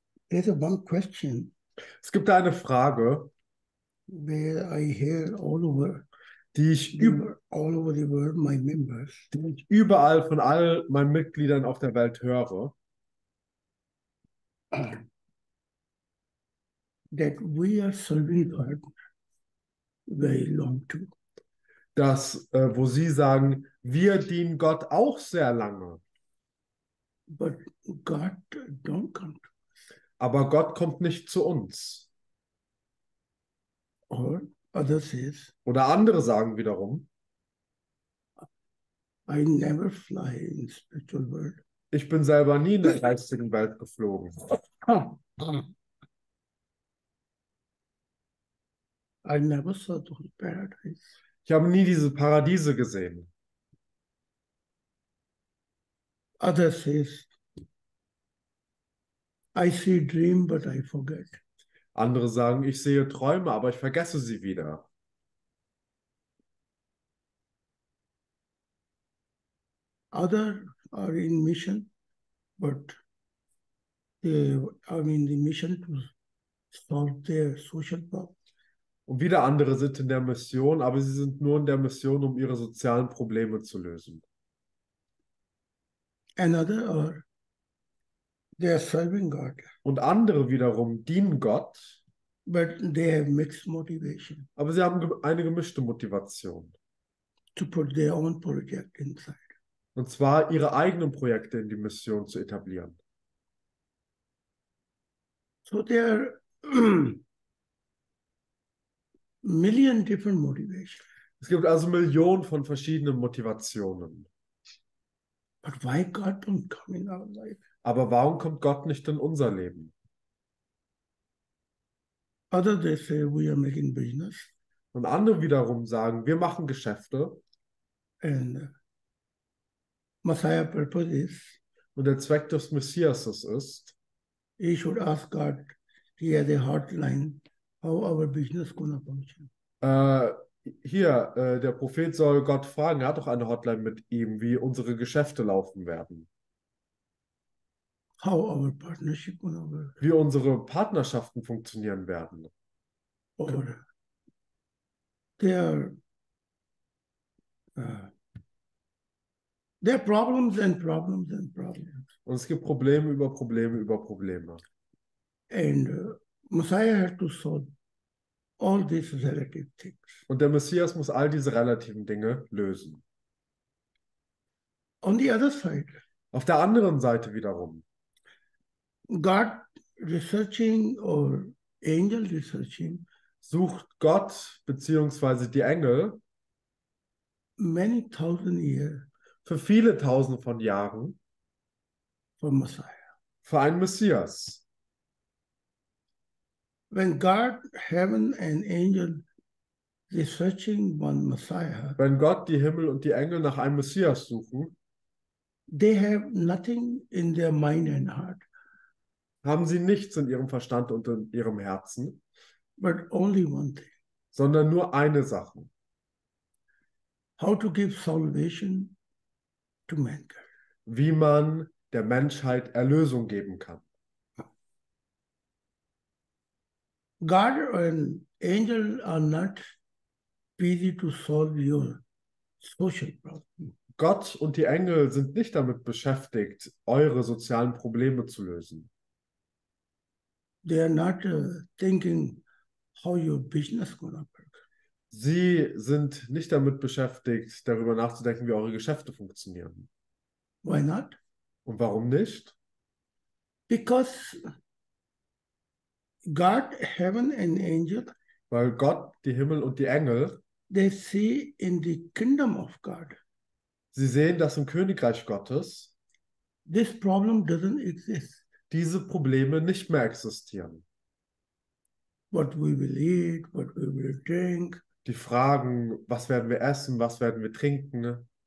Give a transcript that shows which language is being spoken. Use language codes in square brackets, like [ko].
[en] There's a one question. [de] Es gibt eine Frage, [en] where I hear all over, [de] die ich [en] all over the world, my members, [de] die ich überall von all meinen Mitgliedern auf der Welt höre. [en] That we are serving God very long to. [de] Das, wo sie sagen, wir dienen Gott auch sehr lange. [en] But God don't come to. [de] Aber Gott kommt nicht zu uns. [en] Or others says, [de] oder andere sagen wiederum, [en] I never fly in spiritual world. [de] Ich bin selber nie in der geistigen Welt geflogen. [en] I never saw the paradise. [de] Ich habe nie diese Paradiese gesehen. [en] Others says, I see dream, but I forget. [de] Andere sagen, ich sehe Träume, aber ich vergesse sie wieder. [en] Other are in mission, but they are in the mission to solve their social problems. [de] Und wieder andere sind in der Mission, aber sie sind nur in der Mission, um ihre sozialen Probleme zu lösen. [en] Another are they are serving God. [de] Und andere wiederum dienen Gott. [en] But they have mixed motivation. [de] Aber sie haben eine gemischte Motivation. [en] To put their own project inside. [de] Und zwar ihre eigenen Projekte in die Mission zu etablieren. [en] So there are million different motivations. [de] Es gibt also Millionen von verschiedenen Motivationen. [en] But why God don't come in our life? [de] Aber warum kommt Gott nicht in unser Leben? [en] Other they say we are making business. [de] Und andere wiederum sagen, wir machen Geschäfte. [en] And Messiah purpose is, [de] und der Zweck des Messias ist, [en] he should ask God, he has a hotline, how our business gonna function. [de] Der Prophet soll Gott fragen, er hat doch eine Hotline mit ihm, wie unsere Geschäfte laufen werden. [en] How our partnership will work. [de] Wie unsere Partnerschaften funktionieren werden. [en] Or there are problems and problems and problems. [de] Und es gibt Probleme über Probleme über Probleme. [en] And Messiah has to solve all these relative things. [de] Und der Messias muss all diese relativen Dinge lösen. [en] On the other side. [de] Auf der anderen Seite wiederum. [en] God researching or angel researching [de] sucht Gott beziehungsweise die Engel [en] many thousand years [de] für viele tausend von Jahren [en] for Messiah. [de] Für einen Messias. [en] When God, heaven and angel researching one Messiah, [de] wenn Gott die Himmel und die Engel nach einem Messias suchen, [en] they have nothing in their mind and heart. [de] Haben sie nichts in ihrem Verstand und in ihrem Herzen, [en] but only one thing. [de] Sondern nur eine Sache. [en] How to give salvation to mankind. [de] Wie man der Menschheit Erlösung geben kann. [en] God and angel are not busy to solve your social problem. [de] Gott und die Engel sind nicht damit beschäftigt, eure sozialen Probleme zu lösen. [en] They are not thinking how your business gonna work. [de] Sie sind nicht damit beschäftigt, darüber nachzudenken, wie eure Geschäfte funktionieren. [en] Why not? [de] Und warum nicht? [en] Because God, heaven and angel, [de] weil Gott, die Himmel und die Engel, [en] they see in the kingdom of God. [de] Sie sehen, dass im Königreich Gottes [en] this problem doesn't exist. [de] Diese Probleme nicht mehr existieren. [en] What we will eat, what we will drink. [de] Die Fragen, was werden wir essen, was werden wir trinken?